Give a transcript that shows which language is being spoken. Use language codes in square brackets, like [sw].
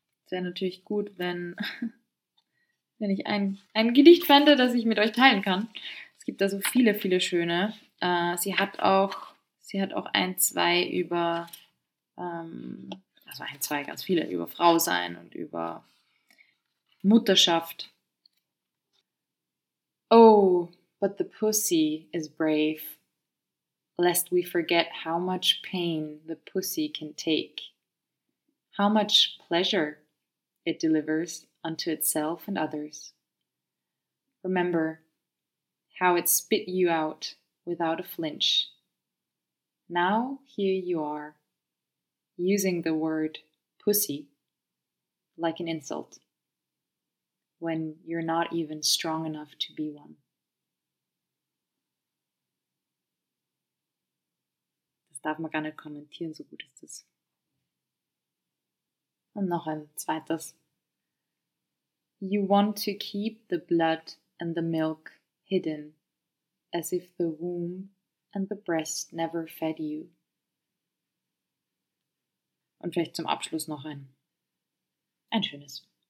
[de] Wäre natürlich gut, wenn ich ein Gedicht fände, das ich mit euch teilen kann. Es gibt da so viele, viele schöne. Sie hat auch ein, zwei über also ein, zwei ganz viele, über Frau sein und über Mutterschaft. [en] Oh, but the pussy is brave, lest we forget how much pain the pussy can take, how much pleasure it delivers unto itself and others. Remember how it spit you out without a flinch. Now here you are, using the word pussy like an insult, when you're not even strong enough to be one. [de] Das darf man gar nicht kommentieren, so gut ist das. Und noch ein zweites. [en] You want to keep the blood and the milk hidden, as if the womb and the breast never fed you. [de] Und vielleicht zum Abschluss noch ein schönes.